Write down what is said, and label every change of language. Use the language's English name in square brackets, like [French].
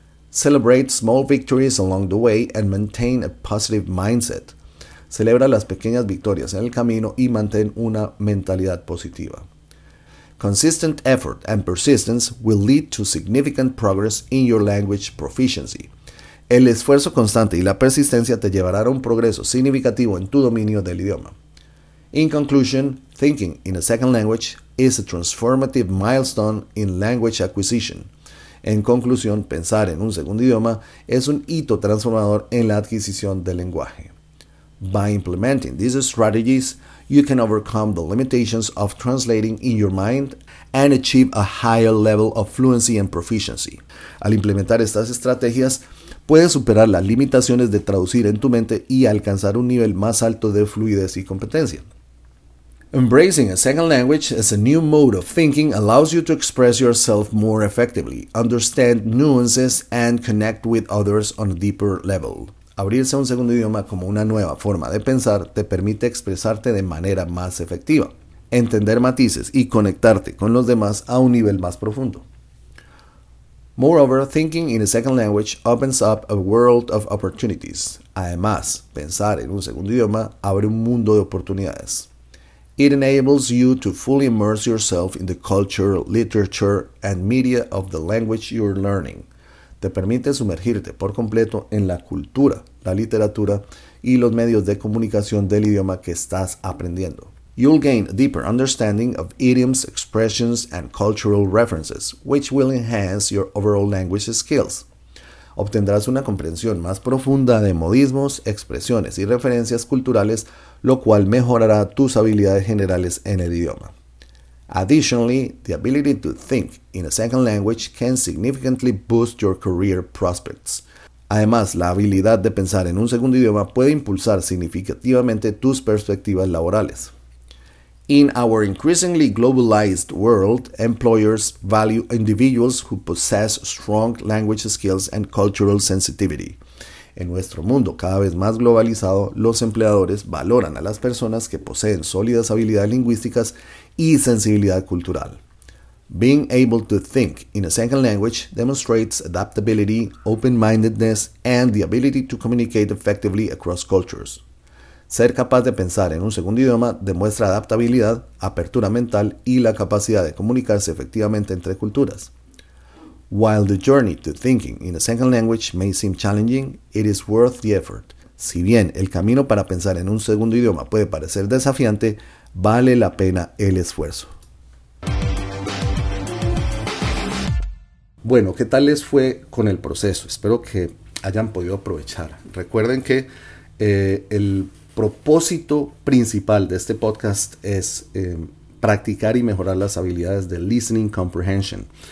[English] Celebrate small victories along the way and maintain a positive mindset. [Spanish] Celebra las pequeñas victorias en el camino y mantén una mentalidad positiva. [English] Consistent effort and persistence will lead to significant progress in your language proficiency. [Spanish] El esfuerzo constante y la persistencia te llevarán a un progreso significativo en tu dominio del idioma. [English] In conclusion, thinking in a second language is a transformative milestone in language acquisition. [Spanish] En conclusión, pensar en un segundo idioma es un hito transformador en la adquisición del lenguaje. [English] By implementing these strategies, you can overcome the limitations of translating in your mind and achieve a higher level of fluency and proficiency. [Spanish] Al implementar estas estrategias, puedes superar las limitaciones de traducir en tu mente y alcanzar un nivel más alto de fluidez y competencia. [English] Embracing a second language as a new mode of thinking allows you to express yourself more effectively, understand nuances, and connect with others on a deeper level. [Spanish] Abrirse a un segundo idioma como una nueva forma de pensar te permite expresarte de manera más efectiva, entender matices y conectarte con los demás a un nivel más profundo. [English] Moreover, thinking in a second language opens up a world of opportunities. [Spanish] Además, pensar en un segundo idioma abre un mundo de oportunidades. [English] It enables you to fully immerse yourself in the culture, literature, and media of the language you're learning. [Spanish] Te permite sumergirte por completo en la cultura, la literatura y los medios de comunicación del idioma que estás aprendiendo. [English] You'll gain a deeper understanding of idioms, expressions, and cultural references, which will enhance your overall language skills. [Spanish] Obtendrás una comprensión más profunda de modismos, expresiones y referencias culturales, lo cual mejorará tus habilidades generales en el idioma. [English] Additionally, the ability to think in a second language can significantly boost your career prospects. [Spanish] Además, la habilidad de pensar en un segundo idioma puede impulsar significativamente tus perspectivas laborales. [English] In our increasingly globalized world, employers value individuals who possess strong language skills and cultural sensitivity. [Spanish] En nuestro mundo cada vez más globalizado, los empleadores valoran a las personas que poseen sólidas habilidades lingüísticas y sensibilidad cultural. [English] Being able to think in a second language demonstrates adaptability, open-mindedness, and the ability to communicate effectively across cultures. [Spanish] Ser capaz de pensar en un segundo idioma demuestra adaptabilidad, apertura mental y la capacidad de comunicarse efectivamente entre culturas. [English] While the journey to thinking in a second language may seem challenging, it is worth the effort. [Spanish] Si bien el camino para pensar en un segundo idioma puede parecer desafiante, vale la pena el esfuerzo. Bueno, ¿qué tal les fue con el proceso? Espero que hayan podido aprovechar. Recuerden que el propósito principal de este podcast es practicar y mejorar las habilidades de [English] listening comprehension.